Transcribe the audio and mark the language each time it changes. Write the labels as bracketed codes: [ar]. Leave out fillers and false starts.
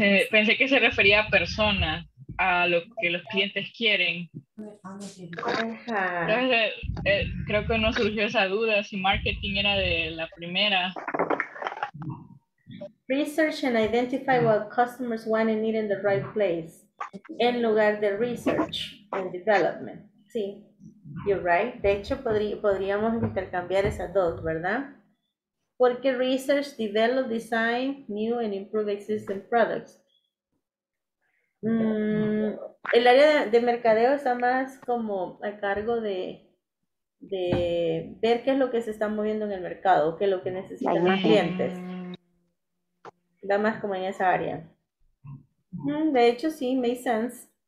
[es] Pensé que se refería a persona, a lo que los clientes quieren. Entonces, creo que no surgió esa duda si marketing era de la primera. [en] Research and identify what customers want and need in the right place. [es] En lugar de [en] research and development. [es] Sí, [en] you're right. De hecho, podríamos intercambiar esas dos, ¿verdad? [es] Porque [en] research, develop, design, new and improve existing products. [es] El área de mercadeo está más como a cargo de ver qué es lo que se está moviendo en el mercado, qué es lo que necesitan los clientes. Va más como en esa área. De hecho, sí, [en] makes sense.